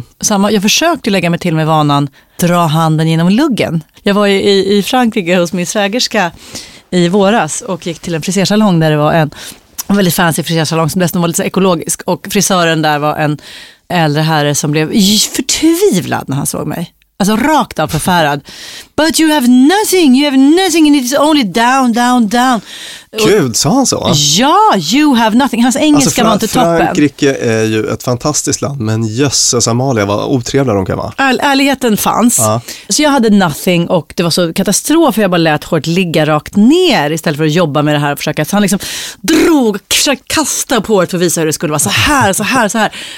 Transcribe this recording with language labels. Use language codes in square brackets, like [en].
[sv] Samma, jag försökte lägga mig till med vanan dra handen genom luggen. Jag var ju i Frankrike hos min svägerska i våras och gick till en frisersalong där det var en väldigt fancy frisersalong som dessutom var lite ekologisk, och frisören där var en äldre herre som blev förtvivlad när han såg mig. Alltså rakt av förfärad. [en] But you have nothing and it's only down, down, down. [sv] Gud, sa han så? [en] Ja, you have nothing. [sv] Hans engelska alltså, var inte toppen. Frankrike är ju ett fantastiskt land, men jösses Amalia, vad otrevliga de kan vara. Ärligheten fanns. Ja. Så jag hade nothing och det var så katastrof, för jag bara lät hårt ligga rakt ner istället för att jobba med det här och försöka. Så han liksom drog och försökte kasta på hårt för att visa hur det skulle vara. Så här, så här, så här.